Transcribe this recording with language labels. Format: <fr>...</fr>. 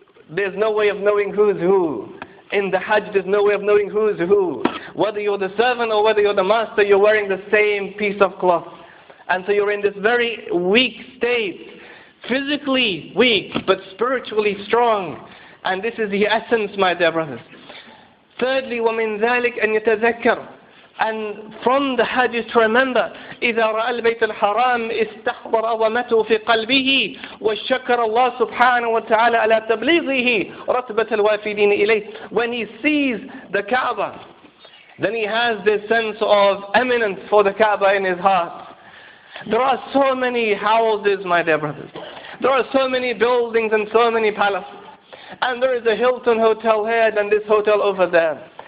<en>There's no way of knowing who's who. In the Hajj, there's no way of knowing who's who. Whether you're the servant or whether you're the master, you're wearing the same piece of cloth. And so you're in this very weak state, physically weak, but spiritually strong. And this is the essence, my dear brothers. Thirdly,</en> <ar>وَمِنْ ذَلِكَ أَنْ يَتَذَكَّرُ.</ar> <en>And from the Hajj is to remember,</en> <ar>إِذَا رَأَى الْبَيْتَ الْحَرَامِ اسْتَحْضَرَ وَمَتُهُ فِي قَلْبِهِ وَشَكَرَ اللَّهُ سُبْحَانَهُ وَتَعَالَى عَلَى تَبْلِيغِهِ رَتْبَةَ الْوَافِدِينَ إِلَيْهِ.</ar> <en>When he sees the Kaaba, then he has this sense of eminence for the Kaaba in his heart. There are so many houses, my dear brothers. There are so many buildings and so many palaces. And there is a Hilton hotel here and this hotel over there.</en>